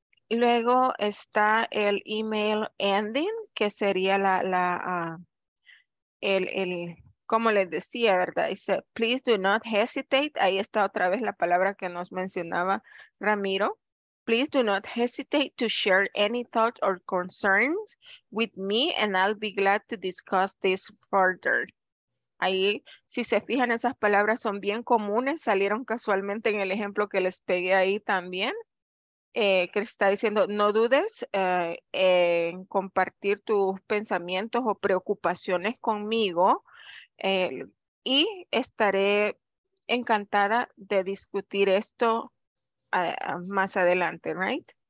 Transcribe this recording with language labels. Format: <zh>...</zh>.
<es>Luego está el email ending, que sería el como les decía, ¿verdad? Dice,</es> <en>please do not hesitate.</en> <es>Ahí está otra vez la palabra que nos mencionaba Ramiro.</es> <en>Please do not hesitate to share any thoughts or concerns with me, and I'll be glad to discuss this further.</en> <es>Ahí, si se fijan, esas palabras son bien comunes, salieron casualmente en el ejemplo que les pegué ahí también, que está diciendo, no dudes en compartir tus pensamientos o preocupaciones conmigo y estaré encantada de discutir esto más adelante, right?</es>